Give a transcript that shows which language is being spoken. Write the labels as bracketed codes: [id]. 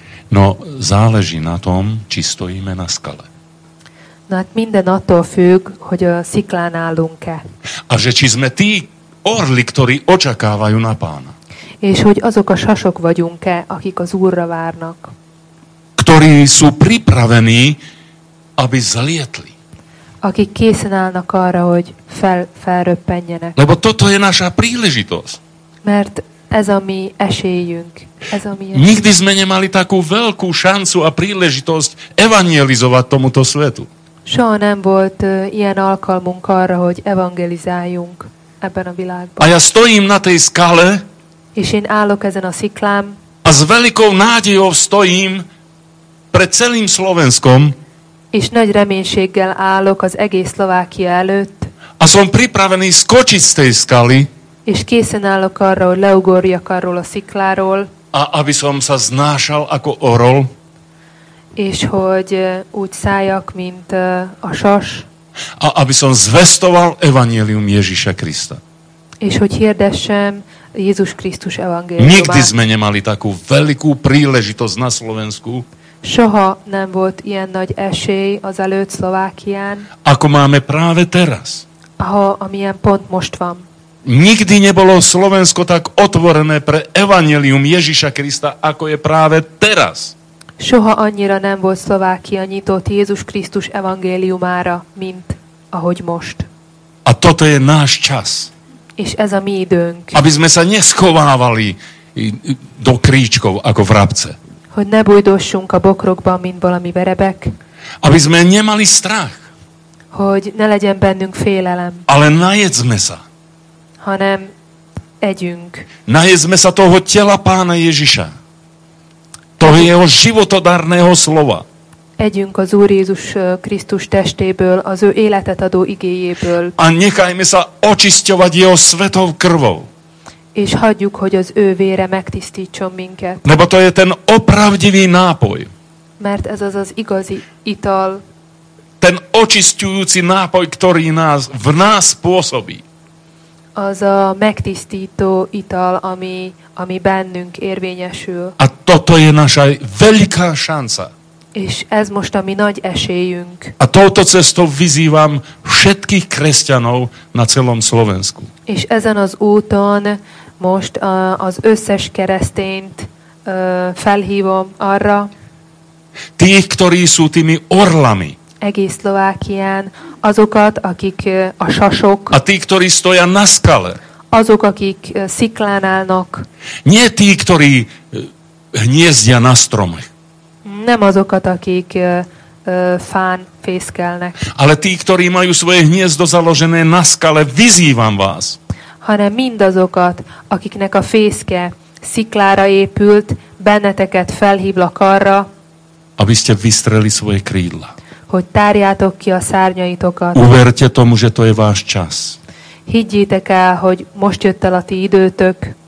[sk] No, záleží na tom, či stojíme na skale. [hu] No, hát minden attól függ, hogy a sziklán állunk-e. [sk] A že či sme tí orli, ktorí očakávajú na pána. [hu] És hogy azok a sasok vagyunk-e, akik az Úrra várnak. [sk] Ktorí sú pripravení, aby zlietli. [hu] Akik készen állnak arra, hogy felröppenjenek. [sk] Lebo toto je naša príležitosť. [hu] Mert ez a mi esélyünk. Ez a mi esélyünk. [sk] Nikdy sme nemali takú veľkú šancu a príležitosť evangelizovať tomuto svetu. [hu] Soha nem volt ilyen alkalmunk arra, hogy evangelizáljunk ebben a világban. [sk] A ja stojím na tej skale. [hu] És én állok ezen a sziklám. [sk] A s veľkou nádejou stojím pred celým Slovenskom. [hu] És nagy reménységgel állok az egész Szlovákia előtt. [sk] A som pripravený skočiť z tej skaly. [hu] És készen állok arra, hogy leugorjak arról a szikláról. [sk] A aby som sa znášal ako orol. [hu] És hogy úgy szálljak, mint a sas. [sk] A aby som zvestoval evanjelium Ježíša Krista. [hu] És hogy hirdessem Jézus Krisztus evangéliumát. [sk] Nikdy sme nemali takú veľkú príležitosť na Slovensku. [hu] Soha nem volt ilyen nagy esély az előtt Szlovákián. [sk] Ako máme práve teraz. [hu] Amilyen pont most van. [sk] Nikdy nebolo Slovensko tak otvorené pre evanjelium Ježíša Krista, ako je práve teraz. [hu] Soha annyira nem volt Szlovákia nyitott Jézus Krisztus evangéliumára, mint ahogy most. [sk] A toto je náš čas. [hu] És ez a mi időnk. [sk] Aby sme sa neschovávali do kríčkov, ako vrabce. [hu] Hogy ne bújdossunk a bokrokban, mint valami verebek. [sk] Aby sme nemali strach. [hu] Hogy ne legyen bennünk félelem. [sk] Ale najedzme sa. [hu] Hanem együnk. [sk] Najedzme sa toho tela pána Ježiša. Toho jeho životodárneho slova. [hu] Együnk az Úr Jézus Krisztus testéből, az ő életet adó igéjéből. [sk] A nechajme sa očisťovať jeho svetou krvou. [hu] És hagyjuk, hogy az ő vére megtisztítson minket. [sk] Nebo to je ten opravdivý nápoj. [hu] Mert ez az az igazi ital. [sk] Ten očisťujúci nápoj, ktorý nás v nás pôsobí. [hu] Az a megtisztító ital, ami bennünk érvényesül. [sk] A toto je naša veľká šanca. [hu] És ez most a mi nagy esélyünk. [sk] A touto cestou vyzývam všetkých kresťanov na celom Slovensku. [hu] És ezen az úton most az összes keresztényt felhívom arra. [sk] Tých, ktorí sú tými orlami. [hu] Egész Szlovákián azokat, akik a sasok. [sk] A tí, ktorí stoja na skale. [hu] Azok, akik sziklán állnak. [sk] Nie tí, ktorí hniezdia na stromech. [hu] Nem azokat, akik fán fészkelnek. [sk] Ale tí, ktorí majú svoje hniezdo založené na skale, vyzývam vás. [hu] Hanem mindazokat, akiknek a fészke sziklára épült, benneteket felhívlak arra, [sk] aby ste vystreli svoje krídla. [hu] Hogy tárjátok ki a szárnyaitokat. [sk] Uverte tomu, že to je váš čas. [hu] Higgyétek el, hogy most jött el a ti időtök.